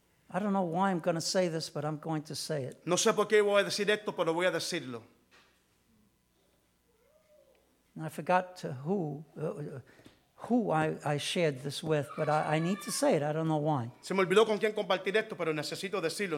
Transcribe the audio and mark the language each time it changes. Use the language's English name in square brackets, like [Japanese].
[English] I don't know why I'm going to say this, but I'm going to say it. [Spanish] No sé por qué voy a decir esto, pero voy a decirlo. [English] And I forgot to who I shared this with, but I need to say it. I don't know why. [Spanish] Se me olvidó con quién compartir esto, pero necesito decirlo.